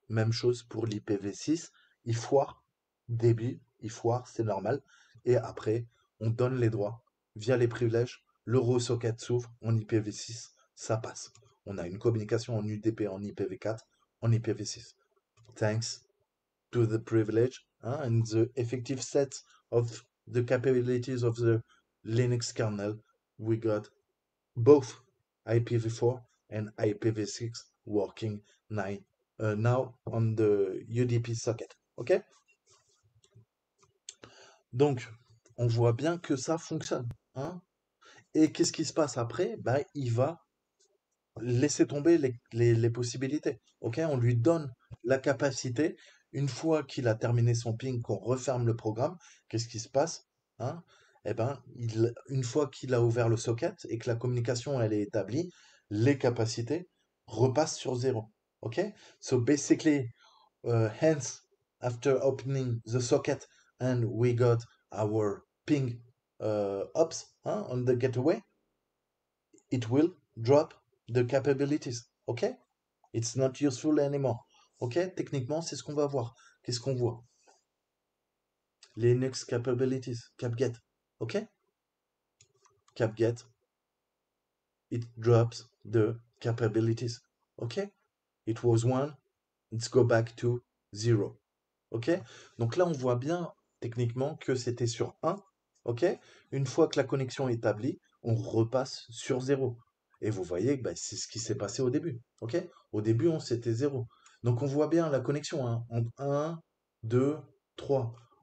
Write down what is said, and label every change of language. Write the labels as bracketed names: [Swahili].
[French] Même chose pour l'IPv6, il foire, début, il foire, c'est normal, et après, on donne les droits via les privilèges, le raw socket s'ouvre en IPv6, ça passe. On a une communication en UDP, en IPv4, en IPv6. [English] Thanks to the privilege, hein, and the effective set of the capabilities of the Linux kernel, we got both IPv4 and IPv6 working nine, now on the UDP socket. OK? [French] Donc, on voit bien que ça fonctionne. Hein? Et qu'est-ce qui se passe après? Ben, il va laisser tomber les possibilités. OK? On lui donne la capacité. Une fois qu'il a terminé son ping, qu'on referme le programme, qu'est-ce qui se passe? Hein? Eh ben, une fois qu'il a ouvert le socket et que la communication elle est établie, les capacités repassent sur zéro. OK? [English] So basically, hence, after opening the socket and we got our ping ops hein, on the gateway, it will drop the capabilities. OK? It's not useful anymore. OK? [French] Techniquement, c'est ce qu'on va voir. Qu'est-ce qu'on voit? Linux capabilities, capget. OK? [English] Capget, it drops the capabilities. OK? It was one, let's go back to zero. OK? [French] Donc là, on voit bien techniquement que c'était sur 1. OK? Une fois que la connexion est établie, on repasse sur 0. Et vous voyez que bah, c'est ce qui s'est passé au début. OK? Au début, on c'était 0. Donc on voit bien la connexion hein, entre 1, 2, 3.